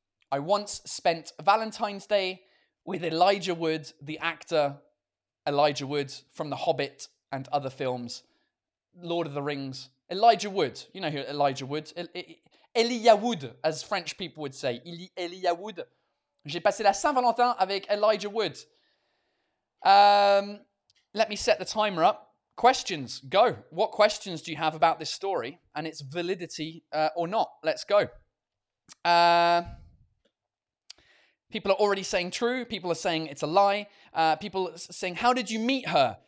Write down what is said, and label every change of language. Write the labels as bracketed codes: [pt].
[en] I once spent Valentine's Day with Elijah Wood, the actor Elijah Wood from The Hobbit and other films, Lord of the Rings. Elijah Wood. You know who Elijah Wood. Elijah Wood, as French people would say. Elijah Wood. [fr] J'ai passé la Saint-Valentin avec Elijah Wood. [en] Let me set the timer up. Questions, go. What questions do you have about this story and its validity or not? Let's go. People are already saying true. People are saying it's a lie. People are saying, how did you meet her?